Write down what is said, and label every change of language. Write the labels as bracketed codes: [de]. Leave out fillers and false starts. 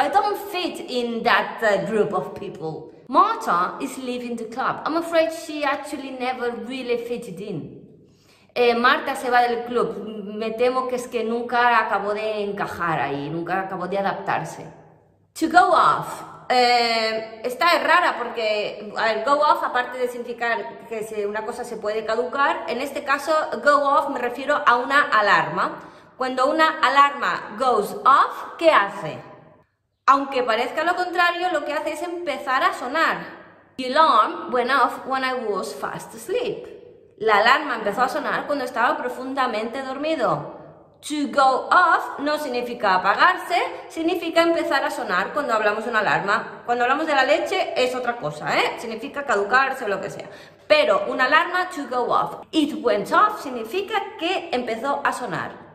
[en] I don't fit in that group of people. Marta is leaving the club. I'm afraid she actually never really fitted in. [es] Marta se va del club. Me temo que es que nunca acabó de encajar ahí, nunca acabó de adaptarse. To go off. Esta es rara porque el go off, aparte de significar que una cosa se puede caducar, en este caso go off me refiero a una alarma. Cuando una alarma goes off, ¿qué hace? Aunque parezca lo contrario, lo que hace es empezar a sonar. [en] The alarm went off when I was fast asleep. [es] La alarma empezó a sonar cuando estaba profundamente dormido. To go off no significa apagarse, significa empezar a sonar cuando hablamos de una alarma. Cuando hablamos de la leche es otra cosa, ¿eh? Significa caducarse o lo que sea. Pero una alarma, to go off. [en] It went off [es] significa que empezó a sonar.